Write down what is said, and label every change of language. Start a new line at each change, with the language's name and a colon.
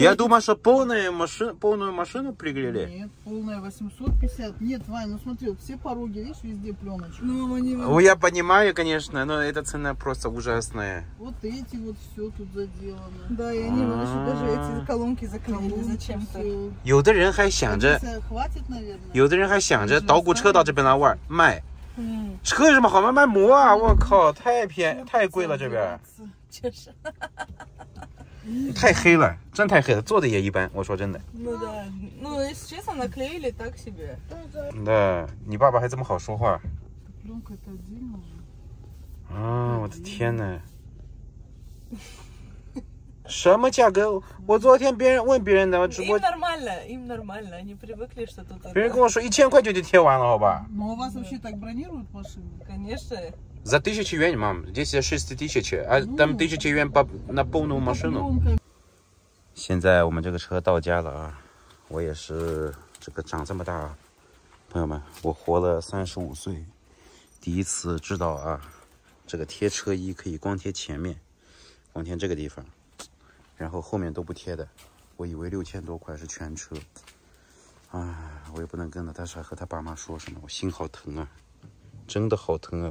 Russian: Я думаю, что полную машину приклеили. Нет, полная 850. Нет, Вань, ну смотри, вот все пороги, видишь, везде пленочка. Ну, мы не видим. Ну, я понимаю, конечно, но эта цена просто ужасная. Вот эти вот все тут заделано. Да, я не вижу, даже эти колонки заклеили зачем-то.
Chinese: 有的人还想着。
Russian: Хватит, наверное.
Chinese: 有的人还想着捣鼓车到这边来玩卖。嗯，车有什么好卖？卖膜啊！我靠，太偏太贵了，这边确实太黑了，真太黑了，做的也一般。我说真的。
Russian: ну да, ну если честно, наклеили так себе.
Chinese: да, 你爸爸还这么好说话。
Russian: пленка это один.
Chinese: 啊，我的天哪！什么价格？我昨天别人问别人的直播。
Russian: им нормально, им нормально, они привыкли, что тут.
Chinese: 别人跟我说1000块就贴完了，好吧。
Russian: но у вас вообще так бронируют машины? конечно. за 1000 юаней, мам, здесь 6000, а там 1000 юаней на полную машину.
Chinese: 现在我们这个车到家了啊，我也是这个长这么大，朋友们，我活了35岁，第一次知道啊，这个贴车衣可以光贴前面，光贴这个地方。然后后面都不贴的，我以为6000多块是全车，哎，我也不能跟着他，还和他爸妈说什么，我心好疼啊，真的好疼啊！